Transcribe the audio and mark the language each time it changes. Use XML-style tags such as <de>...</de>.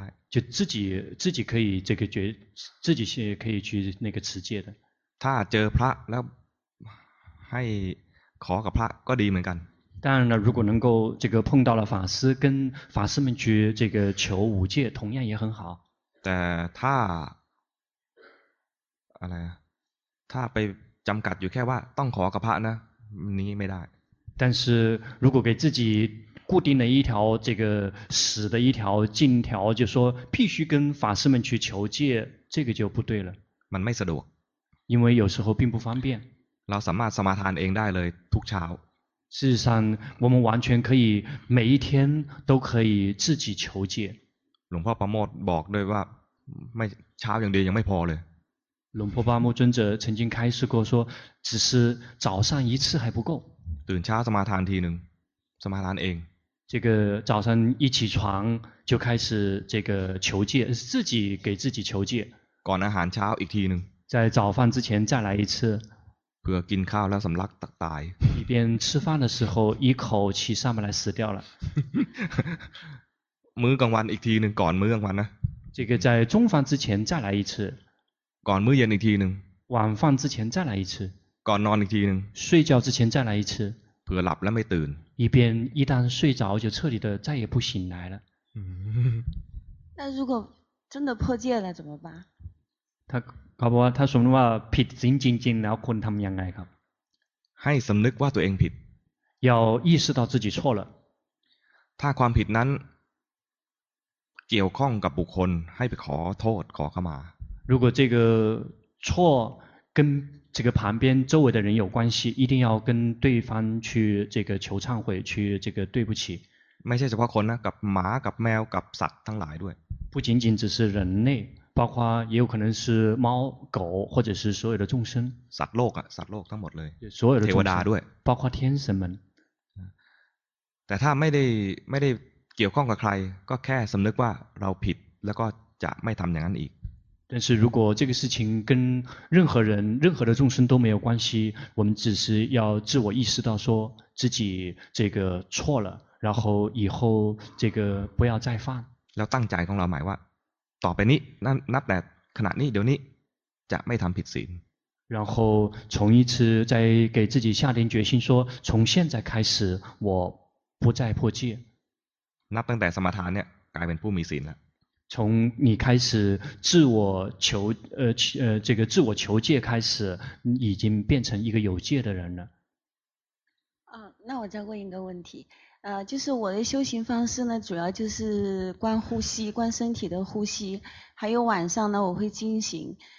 <zh>就自己可以这个觉自己是可以去那个持戒的</zh> <th>ถ้าเจอพระแล้วให้ขอกับพระก็ดีเหมือนกัน</th> <zh>当然了如果能够这个碰到了法师跟法师们去这个求五戒同样也很好</zh> <th>แต่ถ้าอะไรถ้าไปจำกัดอยู่แค่ว่าต้องขอกับพระนะนี้ไม่ได้</th> <zh>但是如果给自己固定了一条这个死的一条禁条，就说必须跟法师们去求戒，这个就不对了。</zh> <th>มันไม่สะดวก，</th> <zh>因为有时候并不方便。</zh> <th>เราสามารถสมาทานเองได้เลยทุกเช้า。</th> <zh>事实上，我们完全可以每一天都可以自己求戒。</zh> <th>หลวงพ่อปราโมทบอกด้วยว่าไม่เช้าอย่างเดียวยังไม่พอเลย。</th> <zh>หลวงพ่อปราโมท尊者曾经开示过说，只是早上一次还不够。</zh> <th>ตื่นเช้าสมาทานทีนึงสมาทานเอง</th> <zh>这个早上一起床就开始这个求戒自己给自己求戒</zh> <th>ก่อนอาหารเช้าอีกทีนึง</th> <zh>在早饭之前再来一次</zh> <th>เพื่อกินข้าวแล้วสำลักตาย</th> <zh>一边吃饭的时候一口气上不来死掉了</zh> <th>มื้อกลางวันอีกทีนึงก่อนมื้อกลางวันนะ</th> <zh>这个在中饭之前再来一次</zh> <th>ก่อนมื้อเย็นอีกทีนึง</th> <zh>晚饭之前再来一次</zh> <th>ก่อนนอนอีกทีนึง</th> <zh>睡觉之前再来一次</zh> <th>เพื่อหลับแล้วไม่ตื่น</th> <zh>一边一旦睡着就彻底的再也不醒来了。那如果真的破戒了怎么办？他搞不好他说的话</zh> <th>ผิดจริงๆแล้วคนทำยังไงครับ？ ให้สำนึกว่าตัวเองผิด。</th> <zh>要意识到自己错了。</zh> <th>ถ้าความผิดนั้นเกี่ยวข้องกับบุคคลให้ไปขอโทษขอขมา。</th> <zh>如果这个错跟这个旁边周围的人有关系，一定要跟对方去这个求忏悔，去这个对不起。</zh> <th>ไม่ใช่เฉพาะคนนะ，กับหมา，กับแมว，กับสัตว์ทั้งหลายด้วย。</th> <zh>不仅仅只是人类，包括也有可能是猫、狗，或者是所有的众生。</zh> <th>สัตว์โลกอะ，สัตว์โลกทั้งหมดเลย。</th> <zh>所有的</zh> <th>เทวดาด้วย，</th> <zh>包括天神们。</zh> <th>แต่ถ้าไม่ได้เกี่ยวข้องกับใครก็แค่สำนึกว่าเราผิดแล้วก็จะไม่ทำอย่างนั้นอีก。</th> <zh>但是如果这个事情跟任何人任何的众生都没有关系我们只是要自我意识到说自己这个错了然后以后这个不要再犯</zh> <th>แล้วตั้งใจของเราหมายว่าต่อไปนี้นับแต่ขณะนี้เดี๋ยวนี้จะไม่ทำผิดศีล</th> <zh>然后从一次再给自己下定决心说从现在开始我不再破戒</zh> <th>นับตั้งแต่สมาทานเนี่ยกลายเป็นผู้มีศีลแล้ว</th> <zh>从你开始自我求这个自我求戒开始已经变成一个有戒的人了那我再问一个问题就是我的修行方式呢，主要就是观呼吸，观身体的呼吸，还有晚上呢，我会静行。</zh>